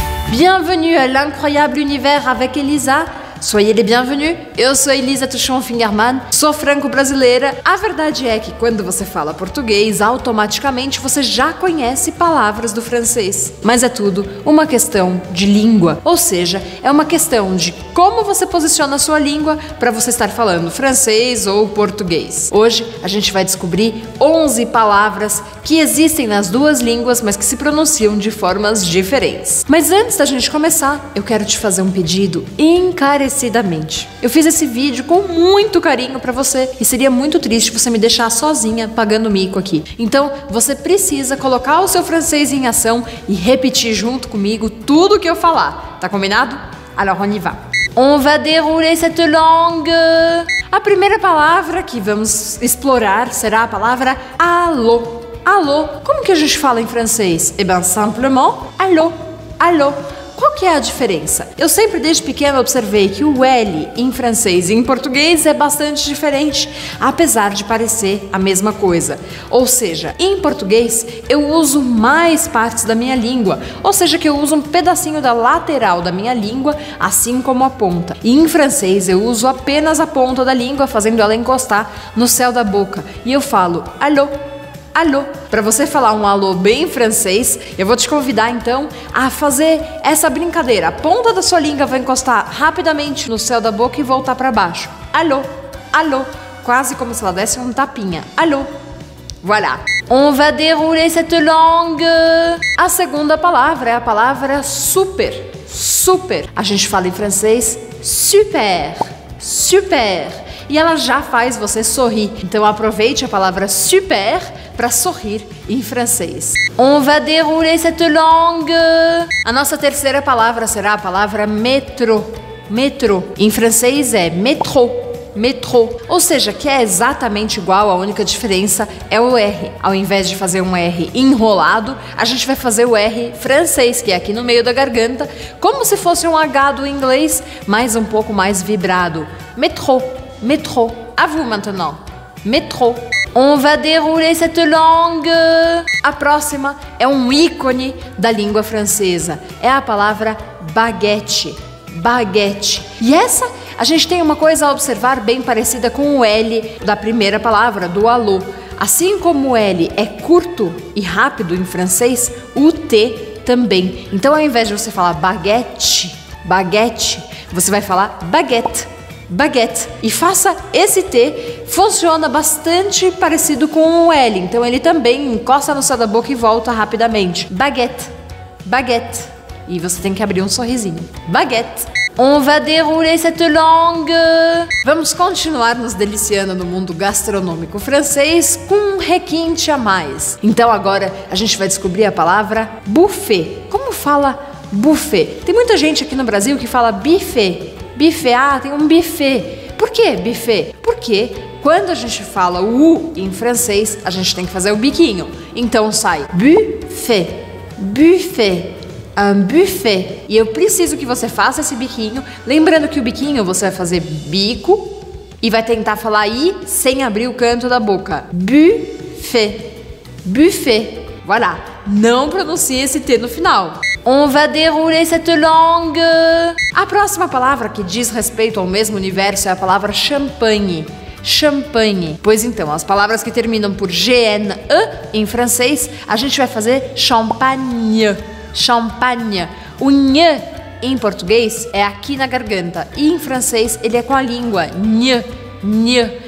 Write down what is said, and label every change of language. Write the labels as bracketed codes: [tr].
[fr] Bienvenue à l'incroyable univers avec Elisa. Soyez les bienvenus. [pt] Eu sou Elisa Tuchon Fingerman, sou franco-brasileira. A verdade é que quando você fala português, automaticamente você já conhece palavras do francês. Mas é tudo uma questão de língua. Ou seja, é uma questão de como você posiciona a sua língua para você estar falando francês ou português. Hoje a gente vai descobrir 11 palavras que existem nas duas línguas, mas que se pronunciam de formas diferentes. Mas antes da gente começar, eu quero te fazer um pedido encarecidamente. Eu fiz esse vídeo com muito carinho pra você e seria muito triste você me deixar sozinha pagando mico aqui. Então, você precisa colocar o seu francês em ação e repetir junto comigo tudo que eu falar. Tá combinado? [fr] Alors, on y va. On va dérouler cette langue. [pt] A primeira palavra que vamos explorar será a palavra allô. Allô, como que a gente fala em francês? [fr] Eh bien, simplement, allô, allô. [pt] Qual que é a diferença? Eu sempre, desde pequena, observei que o L em francês e em português é bastante diferente, apesar de parecer a mesma coisa. Ou seja, em português, eu uso mais partes da minha língua. Ou seja, que eu uso um pedacinho da lateral da minha língua, assim como a ponta. E em francês, eu uso apenas a ponta da língua, fazendo ela encostar no céu da boca. E eu falo, allô. Alô. Para você falar um alô bem francês, eu vou te convidar então a fazer essa brincadeira. A ponta da sua língua vai encostar rapidamente no céu da boca e voltar para baixo. Alô. Alô. Quase como se ela desse um tapinha. Alô. Voilà. [fr] On va dérouler cette langue. [pt] A segunda palavra é a palavra super. Super. A gente fala em francês super. Super. E ela já faz você sorrir. Então aproveite a palavra super para sorrir em francês. [fr] On va dérouler cette langue. [pt] A nossa terceira palavra será a palavra métro. Métro. Em francês é métro. Métro. Ou seja, que é exatamente igual, a única diferença é o R. Ao invés de fazer um R enrolado, a gente vai fazer o R francês, que é aqui no meio da garganta, como se fosse um H do inglês, mas um pouco mais vibrado. Métro. Métro. [fr] À vous maintenant. [pt] Métro. [fr] On va dérouler cette langue. [pt] A próxima é um ícone da língua francesa. É a palavra baguette. Baguette. E essa, a gente tem uma coisa a observar bem parecida com o L da primeira palavra, do alô. Assim como o L é curto e rápido em francês, o T também. Então, ao invés de você falar baguette, baguette, você vai falar baguette. Baguette. E faça esse T, funciona bastante parecido com o L, então ele também encosta no céu da boca e volta rapidamente. Baguette. Baguette. E você tem que abrir um sorrisinho. Baguette. [fr] On va dérouler cette langue. [pt] Vamos continuar nos deliciando no mundo gastronômico francês com um requinte a mais. Então agora a gente vai descobrir a palavra buffet. Como fala buffet? Tem muita gente aqui no Brasil que fala buffet. Buffet, ah, tem um buffet. Por que buffet? Porque quando a gente fala o U em francês, a gente tem que fazer o biquinho. Então sai buffet, buffet, [fr] un buffet. [pt] E eu preciso que você faça esse biquinho. Lembrando que o biquinho você vai fazer bico e vai tentar falar I sem abrir o canto da boca. Buffet, buffet. Voilà. Não pronuncie esse T no final. [fr] On va dérouler cette langue. [pt] A próxima palavra que diz respeito ao mesmo universo é a palavra champagne. Champagne. Pois então, as palavras que terminam por GNE em francês, a gente vai fazer champagne. Champagne. O nhe em português é aqui na garganta e em francês ele é com a língua. Nhe. Nhe.